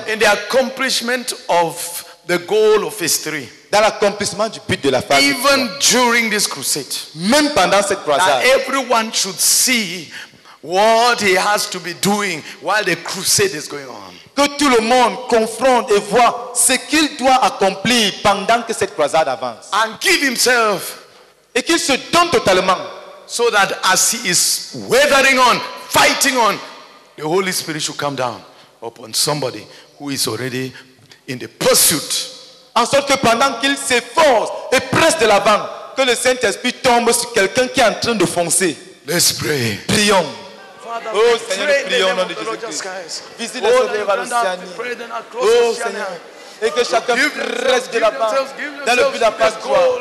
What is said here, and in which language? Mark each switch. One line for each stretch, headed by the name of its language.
English: In the accomplishment of the goal of history.
French: Dans l'accomplissement du but de la phase.
English: Even during this crusade.
French: Même pendant cette croisade.
English: That everyone should see what he has to be doing while the crusade is going on.
French: Que tout le monde confronte et voit ce qu'il doit accomplir pendant que cette croisade avance.
English: And give himself.
French: Et qu'il se donne totalement.
English: So that as he is weathering on, fighting on, the Holy Spirit should come down upon somebody who is already in the pursuit.
French: En sorte que pendant qu'il s'efforce et presse de l'avant, que le Saint-Esprit tombe sur quelqu'un qui est en train de foncer.
English: Let's pray.
French: Prions.
English: Father,
French: oh Seigneur, nous prions au nom de Jésus-Christ. Visite les sauvés vers l'Océanie. Oh Seigneur. Et que chacun reste de là-bas dans le but de la face toi.